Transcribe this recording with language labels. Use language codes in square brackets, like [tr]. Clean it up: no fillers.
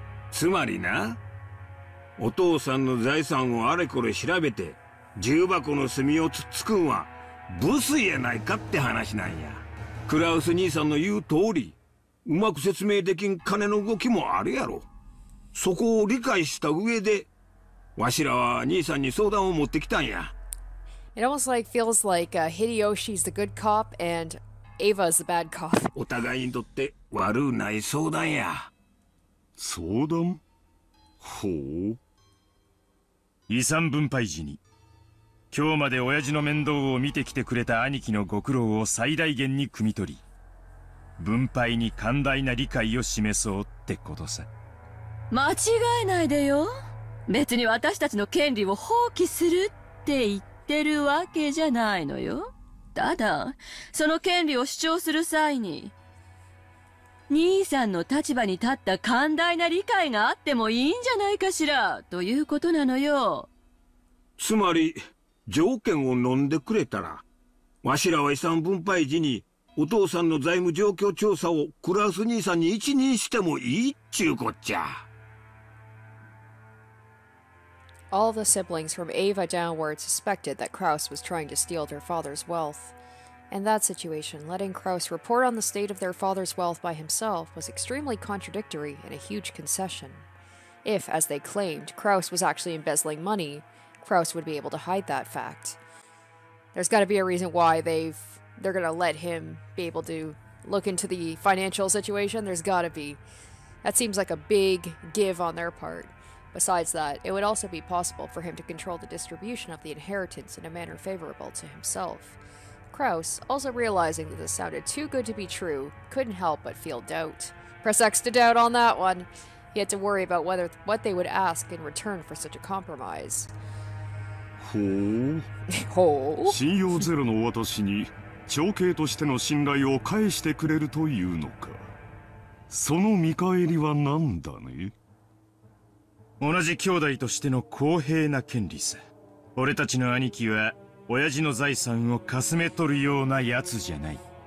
[ja] つまりな、お父さんの財産をあれこれ調べて重箱の隅をつっつくんはブスやないかって話なんや。クラウス兄さんの言う通り、うまく説明できん金の動きもあるやろ。そこを理解した上で、わしらは兄さんに相談を持ってきたんや。 [en] It almost like feels like Hideyoshi's the good cop and Ava's the bad cop. [ja] お互いにとって悪うない相談や。相談？ほう。遺産分配時に、今日まで親父の面倒を見てきてくれた兄貴のご苦労を最大限に汲み取り、分配に寛大な理解を示そうってことさ。間違えないでよ。別に私たちの権利を放棄するって言ってるわけじゃないのよ。ただ、その権利を主張する際に、兄さんの立場に立った寛大な理解があってもいいんじゃないかしら、ということなのよ。つまり、条件を飲んでくれたら、わしらは遺産分配時に、お父さんの財務状況調査をクラス兄さんに一任してもいいっちゅうこっちゃ。 [en] All the siblings from Ava downward suspected that Kraus was trying to steal their father's wealth. In that situation, letting Kraus report on the state of their father's wealth by himself was extremely contradictory and a huge concession. If, as they claimed, Kraus was actually embezzling money, Kraus would be able to hide that fact. There's got to be a reason why they're going to let him be able to look into the financial situation. There's got to be. That seems like a big give on their part. Besides that, it would also be possible for him to control the distribution of the inheritance in a manner favorable to himself. Kraus, also realizing that this sounded too good to be true, couldn't help but feel doubt. Press X to doubt on that one. He had to worry about what they would ask in return for such a compromise. Ho. Ho. [ja] 信用ゼロの私に長兄としての信頼を返してくれるというのか。その見返りは何だね。同じ兄弟としての公平な権利さ。俺たちの兄貴は親父の財産をかすめ取るようなやつじゃない。